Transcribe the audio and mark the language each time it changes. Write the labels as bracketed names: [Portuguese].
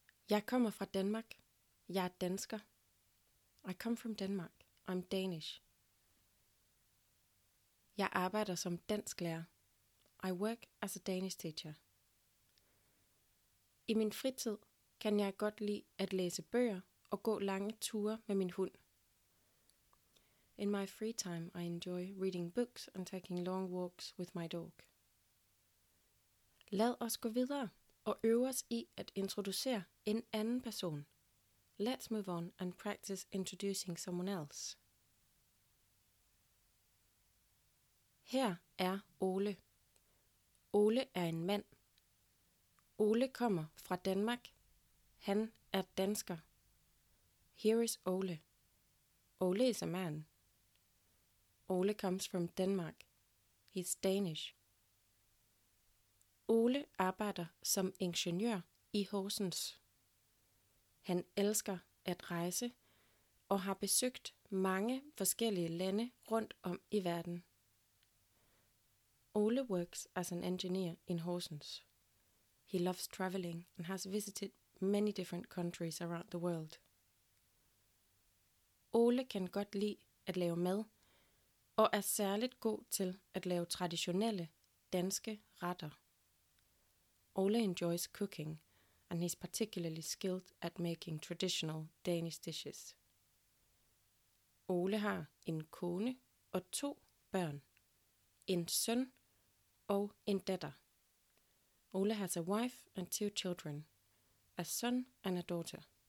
[Danish] Jeg kommer fra Danmark. Jeg dansker. [English] I come from Denmark. I'm Danish. [Danish] Jeg arbejder som dansklærer. [English] I work as a Danish teacher. [Danish] I min fritid kan jeg godt lide at læse bøger og gå lange ture med min hund. [English] In my free time, I enjoy reading books and taking long walks with my dog. [Danish] Lad os gå videre og øve os I at introducere en anden person. [English] Let's move on and practice introducing someone else. [Danish] Her er Ole. Ole er en mand. Ole kommer fra Danmark. Han er dansker. [English] Here is Ole. Ole is a man. Ole comes from Denmark. He's Danish. [Danish] Ole arbejder som ingeniør I Horsens. Han elsker at rejse og har besøgt mange forskellige lande rundt om I verden. [English] Ole works as an engineer in Horsens. He loves traveling and has visited many different countries around the world. [Danish] Ole kan godt lide at lave mad, og særligt god til at lave traditionelle danske retter. [English] Ole enjoys cooking, and he's particularly skilled at making traditional Danish dishes. [Danish] Ole har en kone og to børn, en søn og en datter. [English] Ole has a wife and two children, a son and a daughter.